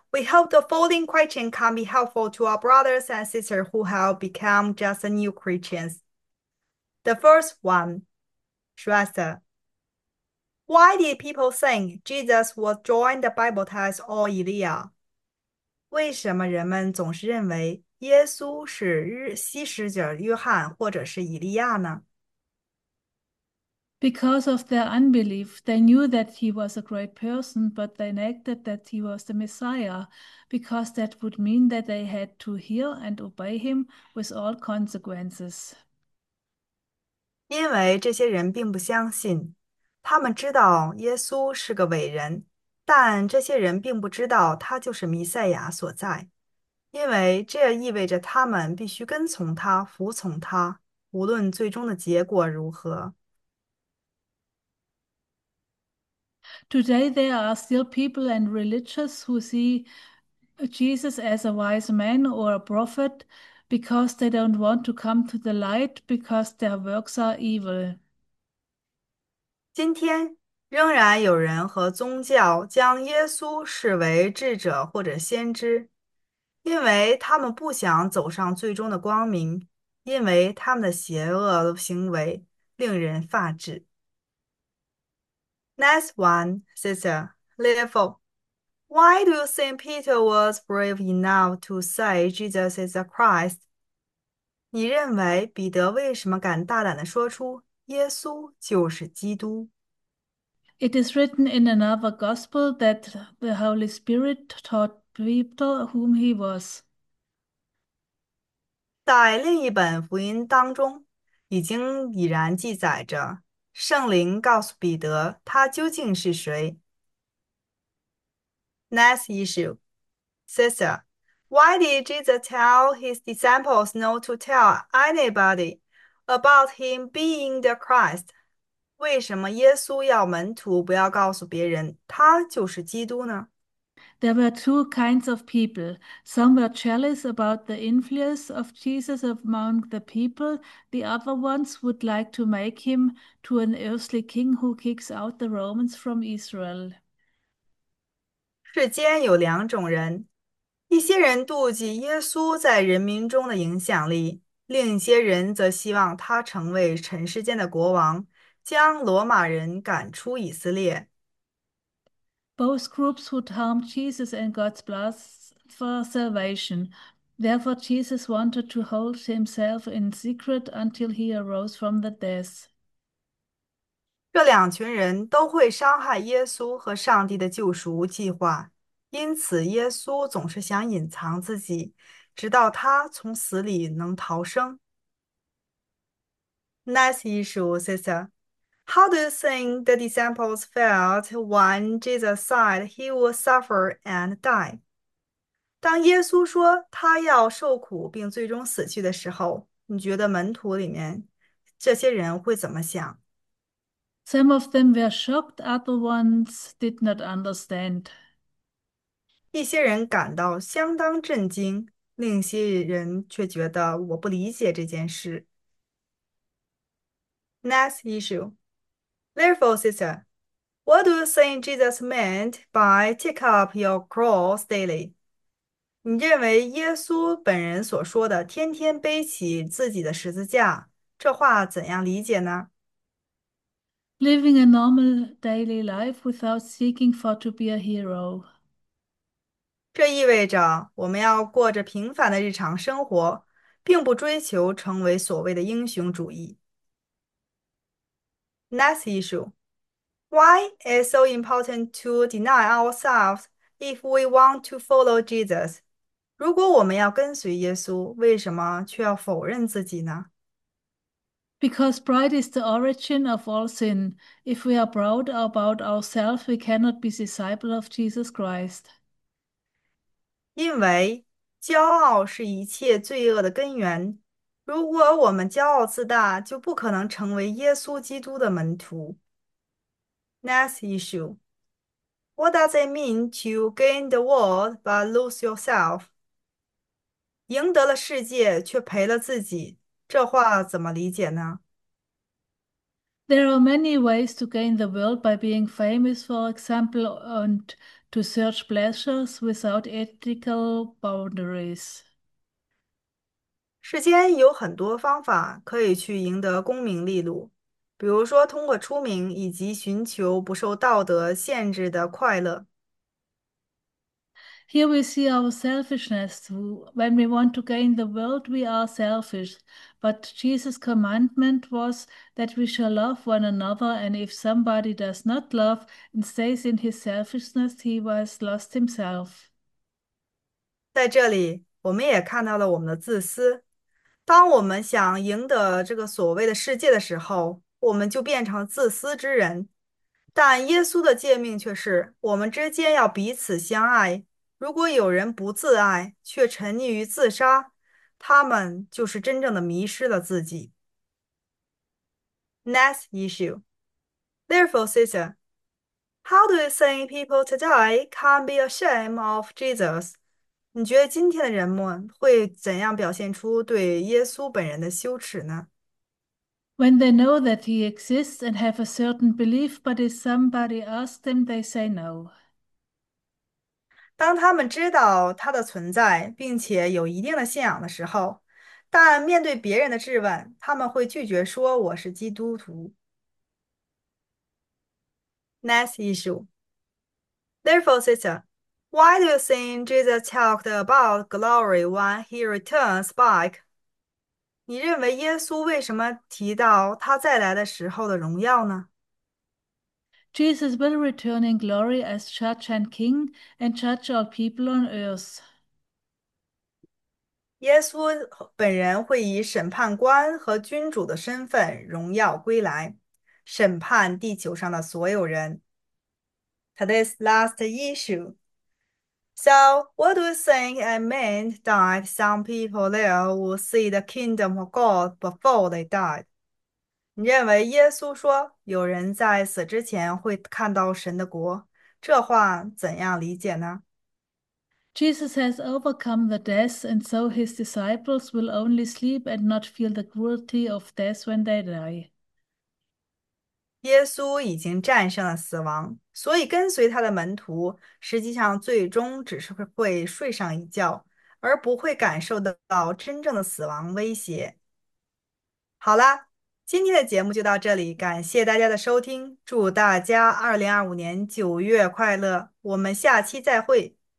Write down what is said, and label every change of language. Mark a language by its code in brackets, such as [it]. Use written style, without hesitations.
[en] We hope the following question can be helpful to our brothers and sisters who have become just new Christians. The first one, Shrestha, why did people think Jesus was joined the baptized or Elijah? [zh] 为什么人们总是认为耶稣是西施者约翰或者是以利亚呢？ [en] Because of their unbelief, they knew that he was a great person, but they negated that he was the Messiah, because that would mean that they had to hear and obey him with all consequences. [zh] 因为这些人并不相信，他们知道耶稣是个伟人，但这些人并不知道他就是弥赛亚所在，因为这意味着他们必须跟从他，服从他，无论最终的结果如何。 [en] Today, there are still people and religious who see Jesus as a wise man or a prophet because they don't want to come to the light because their works are evil. [zh] 今天仍然有人和宗教将耶稣视为智者或者先知，因为他们不想走上最终的光明，因为他们的邪恶行为令人发指。 [en] Next one, sister, therefore, why do you think Peter was brave enough to say Jesus is the Christ? [zh] 你认为彼得为什么敢大胆地说出耶稣就是基督？ [en] It is written in another gospel that the Holy Spirit taught Peter whom he was. [zh] 在另一本福音当中，已经已然记载着圣灵告诉彼得他究竟是谁。 [en] Next issue, sister, why did Jesus tell his disciples not to tell anybody about him being the Christ? [zh] 为什么耶稣要门徒不要告诉别人他就是基督呢？ [en] There were two kinds of people. Some were jealous about the influence of Jesus among the people. The other ones would like to make him to an earthly king who kicks out the Romans from Israel. [zh] 世间有两种人，一些人妒忌耶稣在人民中的影响力，另一些人则希望他成为尘世间的国王，将罗马人赶出以色列。 [en] Both groups would harm Jesus and God's plan for salvation. Therefore, Jesus wanted to hold himself in secret until he arose from the dead. [zh] 这两群人都会伤害耶稣和上帝的救赎计划，因此耶稣总是想隐藏自己，直到他从死里能逃生。 [en] Next issue, sister. How do you think the disciples felt when Jesus said he would suffer and die? [zh] 当耶稣说他要受苦并最终死去的时候，你觉得门徒里面这些人会怎么想？ [en] Some of them were shocked, other ones did not understand. [zh] 一些人感到相当震惊，另一些人却觉得我不理解这件事。 [en] Next issue. Therefore, sister, what do you think Jesus meant by take up your cross daily? [zh] 你认为耶稣本人所说的"天天背起自己的十字架"这话怎样理解呢？ [en] Living a normal daily life without seeking for to be a hero. [zh] 这意味着我们要过着平凡的日常生活，并不追求成为所谓的英雄主义。 [en] Next issue. Why is it so important to deny ourselves if we want to follow Jesus? [zh] 如果我们要跟随耶稣，为什么却要否认自己呢？ [en] Because pride is the origin of all sin. If we are proud about ourselves, we cannot be disciples of Jesus Christ. [zh] 因为骄傲是一切罪恶的根源，如果我们骄傲自大，就不可能成为耶稣基督的门徒。 [en] Next issue. What does it mean to gain the world but lose yourself? [zh] 赢得了世界却赔了自己，这话怎么理解呢？ [en] There are many ways to gain the world by being famous, for example, and to search pleasures without ethical boundaries. [zh] 世间有很多方法可以去赢得功名利禄，比如说通过出名以及寻求不受道德限制的快乐。 [en] Here we see our selfishness. When we want to gain the world, we are selfish. But Jesus' commandment was that we shall love one another, and if somebody does not love and stays in his selfishness, he has lost himself. [zh] 在这里，我们也看到了我们的自私。当我们想赢得这个所谓的世界的时候，我们就变成自私之人。但耶稣的诫命却是，我们之间要彼此相爱。如果有人不自爱，却沉溺于自杀，他们就是真正的迷失了自己。 [en] Next issue. Therefore, sister, how do you think people today can be ashamed of Jesus? [zh] 你觉得今天的人们会怎样表现出对耶稣本人的羞耻呢？ [en] When they know that he exists and have a certain belief, but if somebody asks them, they say no. [zh] 当他们知道他的存在，并且有一定的信仰的时候，但面对别人的质问，他们会拒绝说"我是基督徒"。 [en] Next issue. Therefore, sister. Why do you think Jesus talked about glory when he returns back? [zh] 你认为耶稣为什么提到他再来的时候的荣耀呢？ [en] Jesus will return in glory as judge and king and judge all people on earth. [zh] 耶稣本人会以审判官和君主的身份荣耀归来，审判地球上的所有人。 [en] Today's last issue. So, what do you think it meant that some people there will see the kingdom of God before they died? [zh] 你认为耶稣说有人在死之前会看到神的国，这话怎样理解呢？ [en] Jesus has overcome the death, and so his disciples will only sleep and not feel the cruelty of death when they die. [zh] 耶稣已经战胜了死亡，所以跟随他的门徒实际上最终只是会睡上一觉，而不会感受得到真正的死亡威胁。好啦，今天的节目就到这里，感谢大家的收听，祝大家2025年9月快乐，我们下期再会。